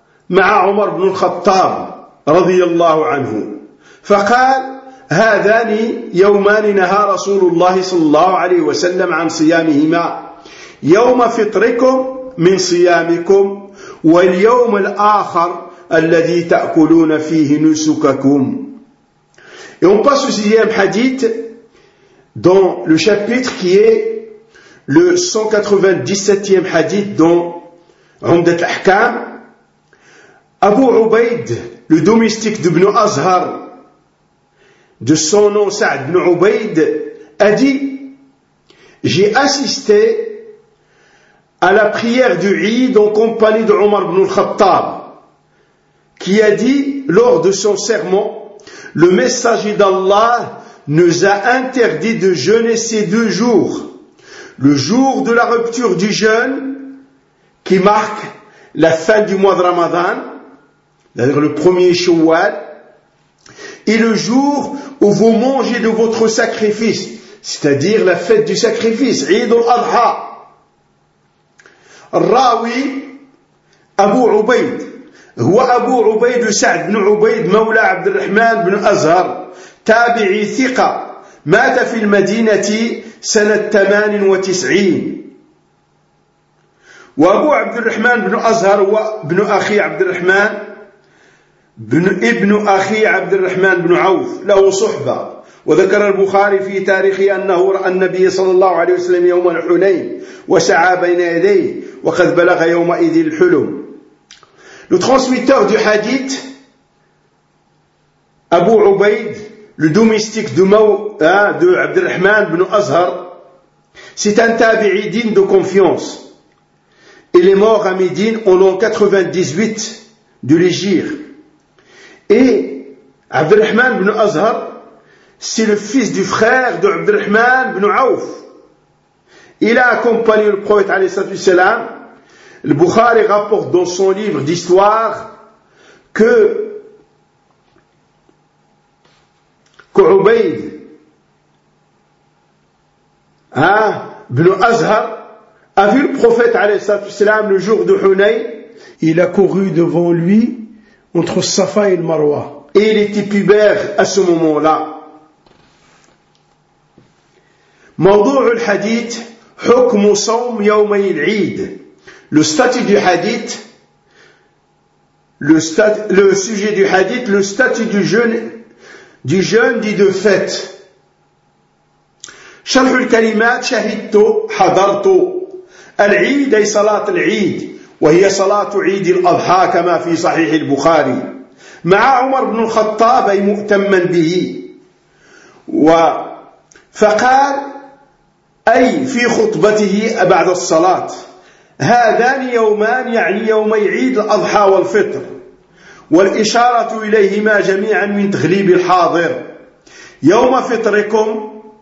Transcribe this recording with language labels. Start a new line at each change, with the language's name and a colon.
Arabic: مع عمر بن الخطاب رضي الله عنه فقال هذان يومان نهى رسول الله صلى الله عليه وسلم عن صيامهما يوم فطركم من صيامكم واليوم الآخر الذي تأكلون فيه نسككم.
French: Et on passe au sixième hadith dans le chapitre qui est le 197e hadith dans Umdat al-Ahkam. Abu Ubaid, le domestique d'Ibn Azhar, de son nom Sa'd ibn Ubaid, a dit « J'ai assisté à la prière du Eid en compagnie de Omar ibn al-Khattab, qui a dit lors de son serment « Le messager d'Allah nous a interdit de jeûner ces deux jours, le jour de la rupture du jeûne qui marque la fin du mois de Ramadan, c'est-à-dire le premier Shawwal, et le jour où vous mangez de votre sacrifice, c'est-à-dire la fête du sacrifice, Eid al-Adha. » Rawi Abu Ubaid.
Arabic: هو أبو عبيد سعد بن عبيد مولى عبد الرحمن بن أزهر تابعي ثقة مات في المدينة سنة 98 وأبو عبد الرحمن بن أزهر هو ابن أخي عبد الرحمن ابن أخي عبد الرحمن بن عوف له صحبة وذكر البخاري في تاريخه أنه رأى النبي صلى الله عليه وسلم يوم الحنين وسعى بين يديه وقد بلغ يومئذ الحلم.
French: Le transmetteur du hadith, Abu Ubaid, le domestique de Abdurrahman ibn Azhar, c'est un tabi'i digne de confiance. Il est mort à Médine en l'an 98 de l'Hégire. Et Abdurrahman ibn Azhar, c'est le fils du frère de Abdurrahman ibn Auf. Il a accompagné le prophète
Arabic: alayhi salatu wassalam.
French: Le Bukhari rapporte dans son livre d'histoire que Ubayd ibn Azhar a vu le prophète alayhi salatu wassalam le jour de Hunay. Il a couru devant lui entre Safa et le Marwa. Et il était pubère à ce moment-là.
Arabic: موضوع الحديث حكم صوم يومي العيد.
French: Le statut du hadith, le sujet du hadith, le statut du jeûne dit de fête.
Arabic: شرح الكلمات شهدت حضرت العيد أي صلاة العيد وهي صلاة عيد الأضحى كما في صحيح البخاري مع عمر بن الخطاب أي مؤتما به فقال أي في خطبته بعد الصلاة هذان يومان يعني يومي عيد الأضحى والفطر والإشارة إليهما جميعا من تغليب الحاضر يوم فطركم